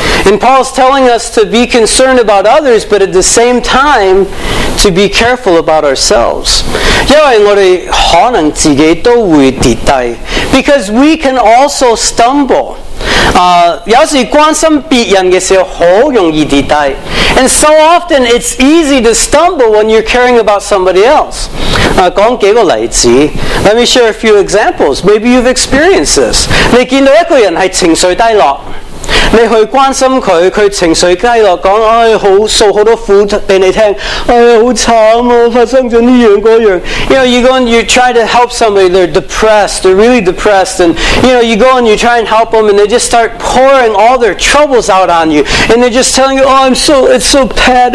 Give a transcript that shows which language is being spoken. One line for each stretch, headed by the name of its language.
English: And Paul's telling us to be concerned about others, but at the same time, to be careful about ourselves.
Cantonese: 因为我们可能自己都会跌低,
English: because we can also stumble.
Cantonese: 要是关心别人的时候，好容易跌低。
English: And so often, it's easy to stumble when you're caring about somebody else.
Cantonese: 讲几个例子,
English: let me share a few examples. Maybe you've experienced this.
Cantonese: 你见到一个人是情绪低落, 你去关心他，他情绪低落，讲，哎，好，诉好多苦给你听，哎，好惨啊，发生咗呢样嗰样。
English: You know, you go and you try to help somebody. They're depressed. They're really depressed. And you know, you go and you try and help them, and they just start pouring all their troubles out on you. And they're just telling you, oh, it's so bad.